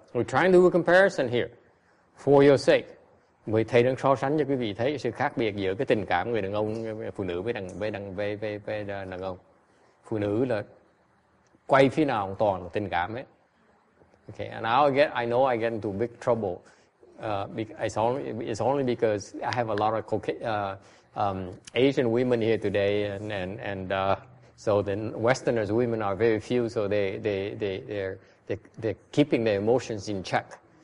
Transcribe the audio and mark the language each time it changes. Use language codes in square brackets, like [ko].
[en] We're trying to do a comparison here, for your sake. [vi] Vì thầy đang so sánh cho quý vị thấy sự khác biệt giữa cái tình cảm người đàn ông, phụ nữ với đàn ông. Phụ nữ là quay phía nào cũng toàn là tình cảm ấy. [en] Okay, and now I know I get into big trouble. It's only because I have a lot of Asian women here today, and So the Westerners, women are very few, so they're keeping their emotions in check.